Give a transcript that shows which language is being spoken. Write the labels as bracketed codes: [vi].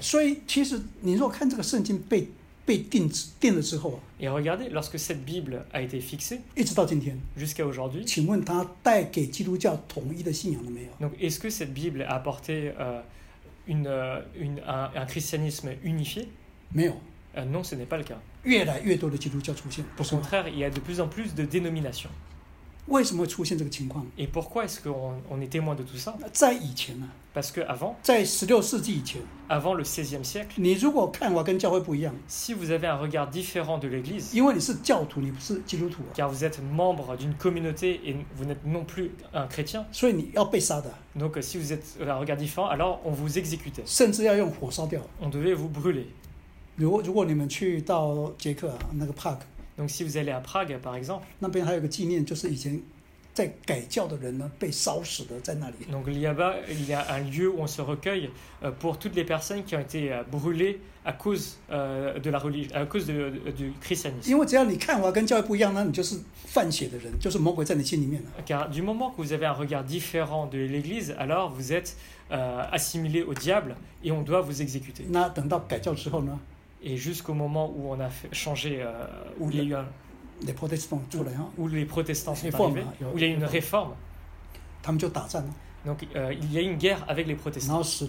[zh] 所以其实你若看这个圣经被定了之后 [fr] Et regardez, lorsque cette Bible a été fixée, [zh] 一直到今天 [fr] jusqu'à aujourd'hui, [zh] 请问它带给基督教统一的信仰了没有？ [fr] Donc, est-ce que cette Bible a apporté un christianisme unifié? [zh] 没有。 [fr] Non, ce n'est pas le cas. [zh] 越来越多的基督教出现。 [fr] Au contraire, il y a de plus en plus de dénominations. [zh] 为什么会出现这个情况？ [fr] Et pourquoi est-ce qu'on est témoin de tout ça? [zh] 在以前呢？ [fr] Parce qu'avant, [zh] 在十六世纪以前 [fr] avant le 16e siècle, [zh] 你如果看我跟教会不一样 [fr] si vous avez un regard différent de l'église, [zh] 因为你是教徒你不是基督徒 [fr] car vous êtes membre d'une communauté et vous n'êtes non plus un chrétien, [zh] 所以你要被杀的 [fr] donc si vous êtes un regard différent, alors on vous exécutait, [zh] 甚至要用火烧掉 [fr] on devait vous brûler, [zh] 如果你们去到捷克那个 Prague, [fr] donc si vous allez à Prague par exemple, [zh] 那边还有个纪念就是以前在改教的人呢被烧死的在那里。 [fr] Donc là-bas, il y a un lieu où on se recueille pour toutes les personnes qui ont été brûlées à cause de la religion, à cause du christianisme. [zh] 因为只要你看我跟教会不一样呢，你就是犯邪的人，就是魔鬼在你心里面了。 [fr] Car du moment que vous avez un regard différent de l'Église, alors vous êtes assimilé au diable et on doit vous exécuter. [zh] 那等到改教之后呢 [fr] ？Et jusqu'au moment où on a changé, où il y a eu un Les protestants, tout là, hein? Où les protestants sont arrivés, où il y a une réforme. Donc, il y a une guerre avec les protestants.